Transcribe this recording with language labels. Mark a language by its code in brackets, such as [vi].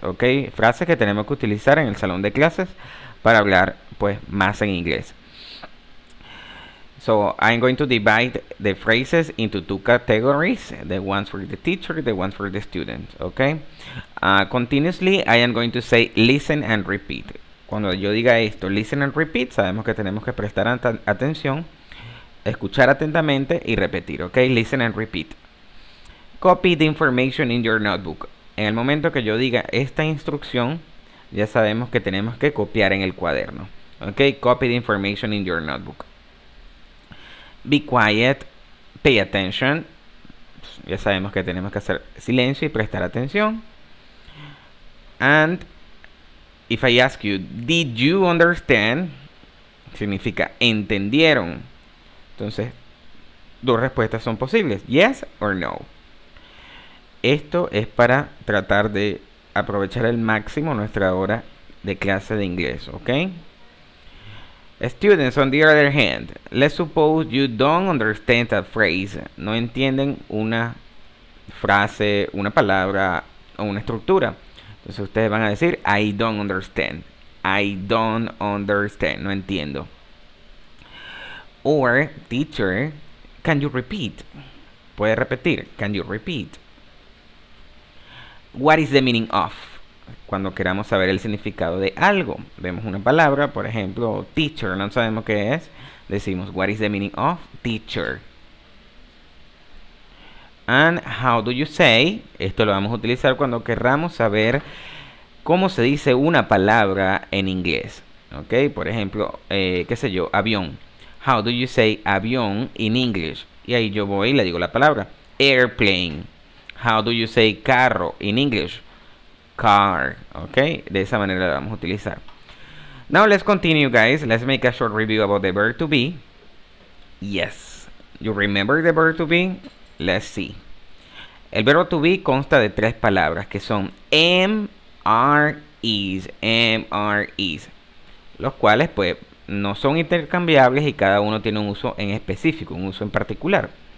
[es] Okay, frases que tenemos que utilizar en el salón de clases para hablar pues más en inglés. [en] So I'm going to divide the phrases into two categories, the ones for the teacher, the ones for the student, okay? Continuously, I am going to say listen and repeat. [es] Cuando yo diga esto, [en] listen and repeat, [es] sabemos que tenemos que prestar atención, escuchar atentamente y repetir, okay? [en] Listen and repeat. Copy the information in your notebook. [es] En el momento que yo diga esta instrucción, ya sabemos que tenemos que copiar en el cuaderno, okay? [en] Copy the information in your notebook. Be quiet, pay attention. [es] Ya sabemos que tenemos que hacer silencio y prestar atención. [en] And if I ask you, did you understand? [es] Significa, ¿entendieron? Entonces, dos respuestas son posibles, [en] yes or no. [es] Esto es para tratar de aprovechar al máximo nuestra hora de clase de inglés, ¿ok? [en] Students, on the other hand, let's suppose you don't understand a phrase. [es] No entienden una frase, una palabra o una estructura. Entonces ustedes van a decir, [en] I don't understand. I don't understand. [es] No entiendo. [en] Or, teacher, can you repeat? [es] Puede repetir. [en] Can you repeat? What is the meaning of? [es] Cuando queramos saber el significado de algo, vemos una palabra, por ejemplo, teacher, no sabemos qué es, decimos, [en] what is the meaning of teacher? And how do you say, [es] esto lo vamos a utilizar cuando queramos saber cómo se dice una palabra en inglés, ok, por ejemplo, qué sé yo, avión, [en] how do you say avión in English? [es] Y ahí yo voy y le digo la palabra, airplane, [en] how do you say carro in English? [es] Car, ok, de esa manera la vamos a utilizar. [en] Now let's continue, guys. Let's make a short review about the verb to be. Yes, you remember the verb to be? Let's see. [es] El verbo to be consta de tres palabras que son MREs, los cuales, pues, no son intercambiables y cada uno tiene un uso en específico, un uso en particular.